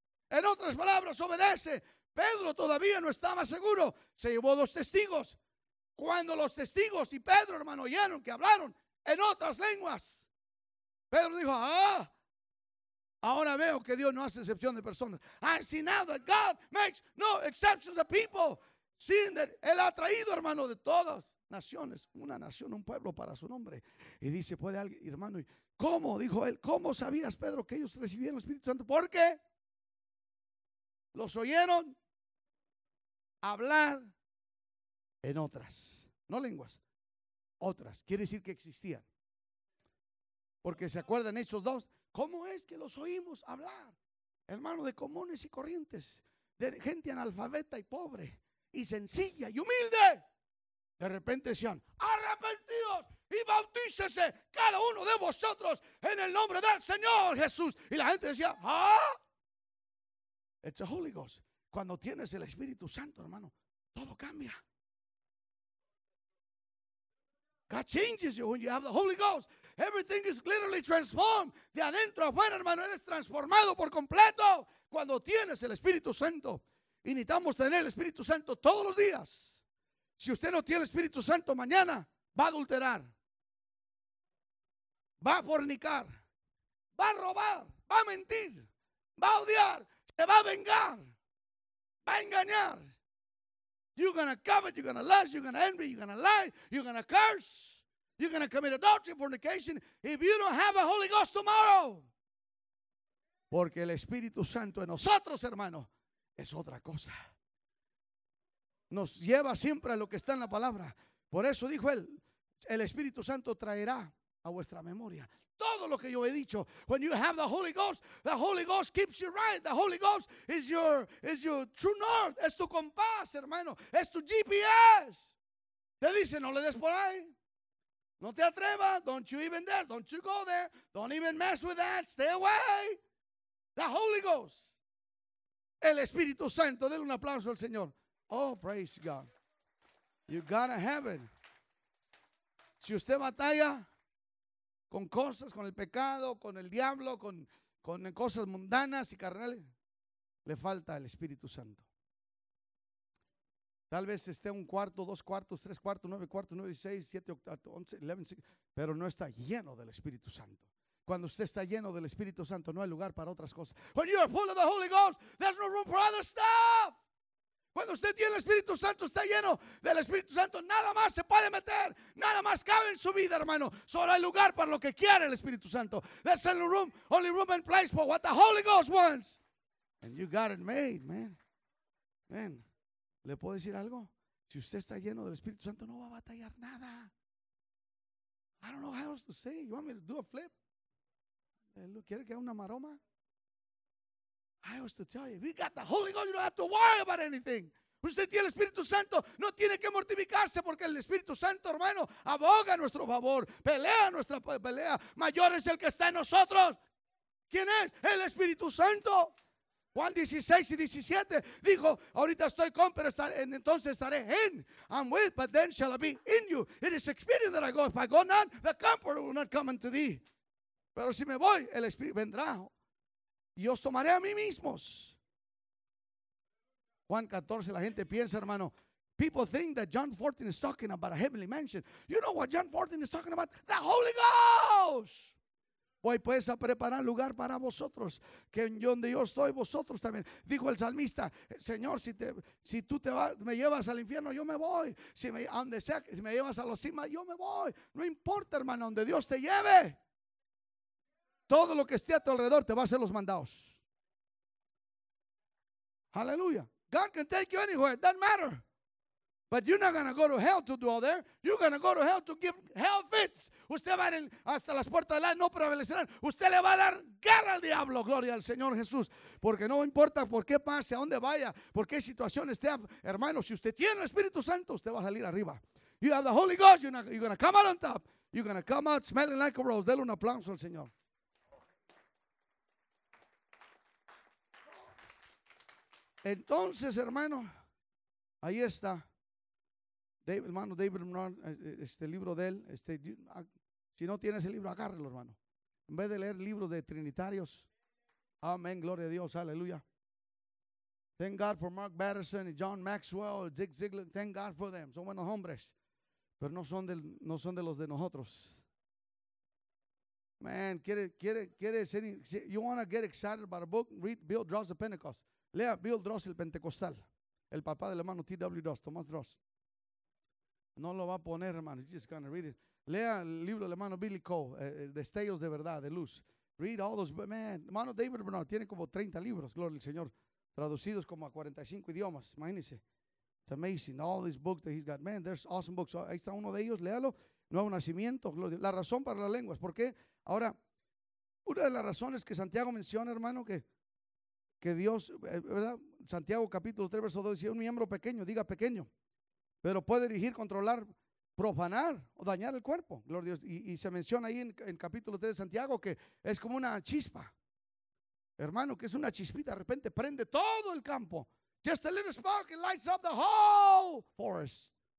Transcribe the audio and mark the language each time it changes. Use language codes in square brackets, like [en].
[es] En otras palabras, obedece. Pedro todavía no estaba seguro, se llevó dos testigos. Cuando los testigos y Pedro, hermano, oyeron que hablaron en otras lenguas, Pedro dijo: ah, ahora veo que Dios no hace excepción de personas. [en] I see now that God makes no exceptions of people. Seeing that [es] Él ha traído, hermano, de todas naciones, una nación, un pueblo para su nombre. Y dice, puede alguien, hermano, ¿cómo? Dijo él, ¿cómo sabías, Pedro, que ellos recibieron el Espíritu Santo? ¿Por qué? Los oyeron hablar en otras, no lenguas, otras. Quiere decir que existían. Porque se acuerdan Hechos 2, ¿cómo es que los oímos hablar, hermano, de comunes y corrientes, de gente analfabeta y pobre, y sencilla y humilde? De repente decían: arrepentidos y bautícese cada uno de vosotros en el nombre del Señor Jesús. Y la gente decía: ah. [en] It's a Holy Ghost. [es] Cuando tienes el Espíritu Santo, hermano, todo cambia. [en] God changes you when you have the Holy Ghost. Everything is literally transformed. [es] De adentro afuera, hermano, eres transformado por completo cuando tienes el Espíritu Santo. Y necesitamos tener el Espíritu Santo todos los días. Si usted no tiene el Espíritu Santo, mañana va a adulterar, va a fornicar, va a robar, va a mentir, va a odiar, se va a vengar, va a engañar. [en] You're going to covet, you're going to lust, you're going to envy, you're going to lie, you're going to curse, you're going to commit adultery, fornication, if you don't have a Holy Ghost tomorrow. [es] Porque el Espíritu Santo en nosotros, hermano, es otra cosa. Nos lleva siempre a lo que está en la palabra. Por eso dijo él, el Espíritu Santo traerá a vuestra memoria todo lo que yo he dicho. [en] When you have the Holy Ghost keeps you right. The Holy Ghost is your true north. [es] Es tu compás, hermano. Es tu GPS. Te dice, no le des por ahí. No te atrevas. [en] Don't you even dare. Don't you go there. Don't even mess with that. Stay away. The Holy Ghost. [es] El Espíritu Santo. Dele un aplauso al Señor. [en] Oh, praise God. You gotta have it. [es] Si usted batalla con cosas, con el pecado, con el diablo, con cosas mundanas y carnales, le falta el Espíritu Santo. Tal vez esté un cuarto, dos cuartos, tres cuartos, nueve cuartos, nueve, seis, siete, ocho, once, [en] eleven, six, [es] pero no está lleno del Espíritu Santo. Cuando usted está lleno del Espíritu Santo, no hay lugar para otras cosas. [en] When you are full of the Holy Ghost, there's no room for other stuff. [es] Cuando usted tiene el Espíritu Santo, está lleno del Espíritu Santo, nada más se puede meter, nada más cabe en su vida, hermano. Solo hay lugar para lo que quiere el Espíritu Santo. [en] There's only room, only room and place for what the Holy Ghost wants. And you got it made, man. Man, [es] ¿le puedo decir algo? Si usted está lleno del Espíritu Santo, no va a batallar nada. [en] I don't know how else to say. You want me to do a flip? [es] ¿Quiere que haga una maroma? [en] I was to tell you, if you got the Holy Ghost, you don't have to worry about anything. [es] Usted tiene el Espíritu Santo, no tiene que mortificarse, porque el Espíritu Santo, hermano, aboga a nuestro favor, pelea nuestra pelea. Mayor es el que está en nosotros. ¿Quién es? El Espíritu Santo. Juan 16 y 17 dijo, ahorita estoy con, pero estaré, entonces estaré en. [en] I'm with, but then shall I be in you. It is expedient that I go. If I go not, the Comforter will not come unto thee. [es] Pero si me voy, el Espíritu vendrá. Y os tomaré a mí mismos. Juan 14, la gente piensa, hermano. [en] People think that John 14 is talking about a heavenly mansion. You know what John 14 is talking about? The Holy Ghost. [es] Voy pues a preparar lugar para vosotros. Que en donde yo estoy, vosotros también. Dijo el salmista, Señor, si tú me llevas al infierno, yo me voy. Si me llevas a la cima, yo me voy. No importa, hermano, donde Dios te lleve. Todo lo que esté a tu alrededor te va a hacer los mandados. Aleluya. [en] God can take you anywhere. It doesn't matter. But you're not going to go to hell to dwell there. You're going to go to hell to give hell fits. [es] Usted va a ir hasta las puertas del no prevalecerán. Usted le va a dar guerra al diablo. Gloria al Señor Jesús. Porque no importa por qué pase, a dónde vaya, por qué situación esté, hermano, si usted tiene el Espíritu Santo, usted va a salir arriba. [en] You have the Holy Ghost, you're going to come out on top. You're going to come out smelling like a rose. [es] Dele un aplauso al Señor. Entonces, hermano, ahí está. David, hermano, David, este libro de él, este, si no tiene ese libro, agárrelo, hermano. En vez de leer libros de trinitarios, amén, gloria a Dios, aleluya. [en] Thank God for Mark Batterson y John Maxwell, Zig Ziglar, thank God for them. [es] Son buenos hombres, pero no son de los de nosotros. [en] Man, [es] quiere ser, [en] you want to get excited about a book, read Bill Dross, The Pentecost. [es] Lea Bill Dross, El Pentecostal, el papá del hermano T.W. Dross, Tomás Dross. No lo va a poner, hermano. [en] You're just going to read it. [es] Lea el libro del hermano Billy Cole, Destellos de Verdad, de Luz. [en] Read all those. [es] Man, hermano David Bernard tiene como 30 libros, gloria al Señor, traducidos como a 45 idiomas. Imagínese. [en] It's amazing. All these books that he's got. Man, there's awesome books. So, [es] ahí está uno de ellos. Léalo. Nuevo Nacimiento. Gloria. La razón para las lenguas. ¿Por qué? Ahora, una de las razones que Santiago menciona, hermano, que Dios, ¿verdad? Santiago capítulo 3, verso 2, dice, un miembro pequeño, diga pequeño. Pero puede dirigir, controlar, profanar o dañar el cuerpo. Gloria a Dios. Y se menciona ahí en capítulo 3 de Santiago que es como una chispa. Hermano, que es una chispita. De repente prende todo el campo. [en] Just a little spark and lights up the whole forest.